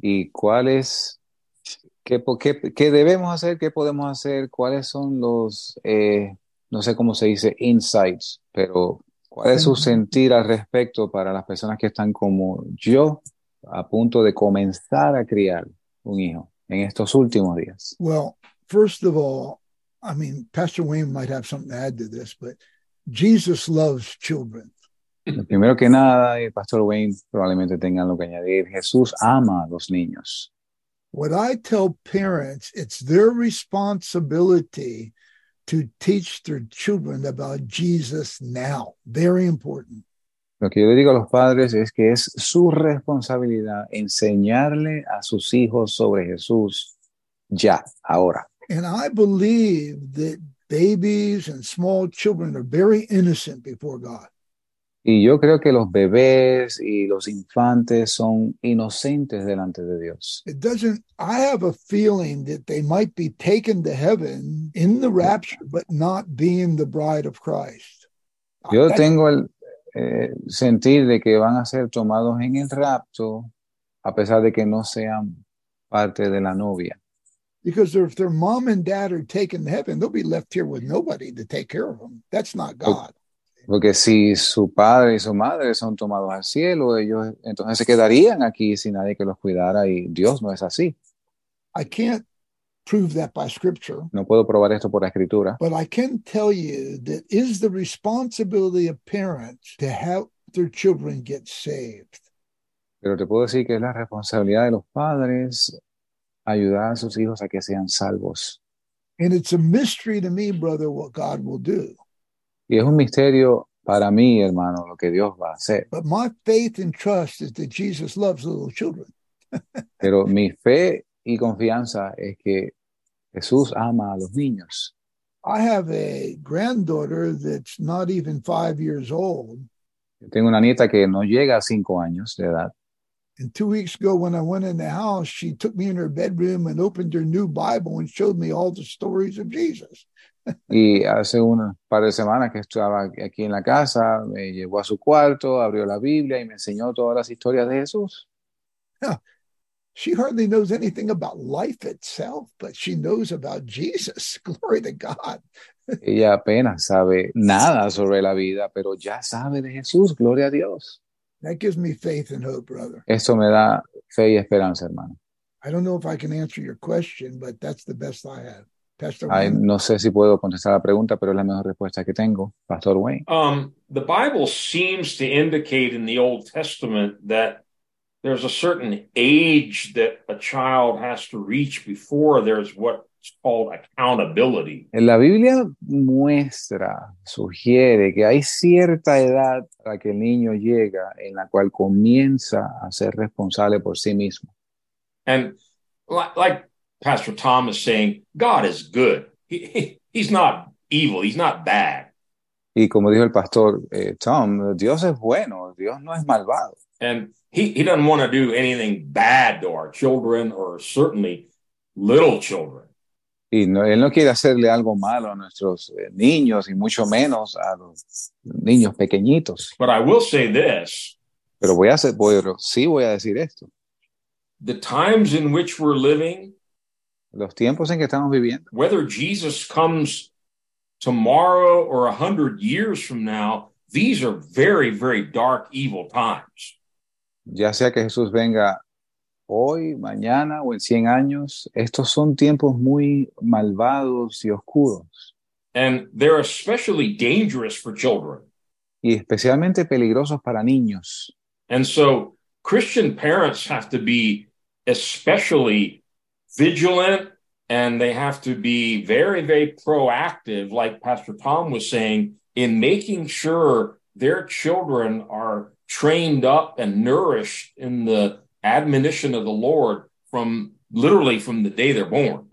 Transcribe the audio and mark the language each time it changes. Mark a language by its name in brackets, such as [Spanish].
[Spanish] ¿Y cuál es? ¿Qué debemos hacer? ¿Qué podemos hacer? ¿Cuáles son los, no sé cómo se dice, insights? Pero ¿cuál es su sentir al respecto para las personas que están como yo a punto de comenzar a criar un hijo en estos últimos días? [English] Well, first of all, I mean, Pastor Wayne might have something to add to this, but Jesus loves children. [Spanish] Primero que nada, y Pastor Wayne probablemente tenga algo que añadir, Jesús ama a los niños. [English] What I tell parents, it's their responsibility to teach their children about Jesus now. Very important. [Spanish] Lo que yo le digo a los padres es que es su responsabilidad enseñarle a sus hijos sobre Jesús ya, ahora. [English] And I believe that babies and small children are very innocent before God. [Spanish] Y yo creo que los bebés y los infantes son inocentes delante de Dios. [English] It doesn't, I have a feeling that they might be taken to heaven in the rapture, but not being the bride of Christ. [Spanish] Yo tengo el sentir de que van a ser tomados en el rapto, a pesar de que no sean parte de la novia. [English] Because if their mom and dad are taken to heaven, they'll be left here with nobody to take care of them. That's not God. [Spanish] Porque si su padre y su madre son tomados al cielo, ellos entonces se quedarían aquí sin nadie que los cuidara, y Dios no es así. [English] I can't prove that by scripture. [Spanish] No puedo probar esto por la escritura. [English] But I can tell you that is the responsibility of parents to help their children get saved. [Spanish] Pero te puedo decir que es la responsabilidad de los padres ayudar a sus hijos a que sean salvos. [English] And it's a mystery to me, brother, what God will do. [Spanish] Y es un misterio para mí, hermano, lo que Dios va a hacer. [English] But my faith and trust is that Jesus loves little children. [Spanish] Pero mi fe y confianza es que Jesús ama a los niños. [English] I have a granddaughter that's not even 5 years old. [Spanish] Yo tengo una nieta que no llega a 5 años de edad. [English] And 2 weeks ago when I went in the house, she took me in her bedroom and opened her new Bible and showed me all the stories of Jesus. [Spanish] Y hace un par de semanas que estaba aquí en la casa, me llevó a su cuarto, abrió la Biblia y me enseñó todas las historias de Jesús. [English] Yeah. She hardly knows anything about life itself, but she knows about Jesus. Glory to God. [Spanish] Ella apenas sabe nada sobre la vida, pero ya sabe de Jesús. Gloria a Dios. [English] That gives me faith and hope, brother. [Spanish] Esto me da fe y esperanza, hermano. [English] I don't know if I can answer your question, but that's the best I have. Pastor Wayne. [Spanish] No sé si puedo contestar la pregunta, pero es la mejor respuesta que tengo, Pastor Wayne. [English] The Bible seems to indicate in the Old Testament that there's a certain age that a child has to reach before there's what's called accountability. [Spanish] La Biblia muestra, sugiere que hay cierta edad a que el niño llega en la cual comienza a ser responsable por sí mismo. [English] And like Pastor Tom is saying, God is good. He's not evil. He's not bad. [Spanish] Y como dijo el pastor Tom, Dios es bueno. Dios no es malvado. [English] And he doesn't want to do anything bad to our children or certainly little children. [Spanish] Y no, él no quiere hacerle algo malo a nuestros niños y mucho menos a los niños pequeñitos. [English] But I will say this. [Spanish] Pero voy a decir esto. [English] The times in which we're living, [Spanish] los tiempos en que estamos viviendo, [English] whether Jesus comes tomorrow or 100 years from now, these are very, very dark, evil times. [Spanish] Ya sea que Jesús venga hoy, mañana o en 100 años, estos son tiempos muy malvados y oscuros. [English] And they're especially dangerous for children. [Spanish] Y especialmente peligrosos para niños. [English] And so Christian parents have to be especially vigilant and they have to be very, very proactive, like Pastor Tom was saying, in making sure their children are trained up and nourished in the admonition of the Lord from literally from the day they're born.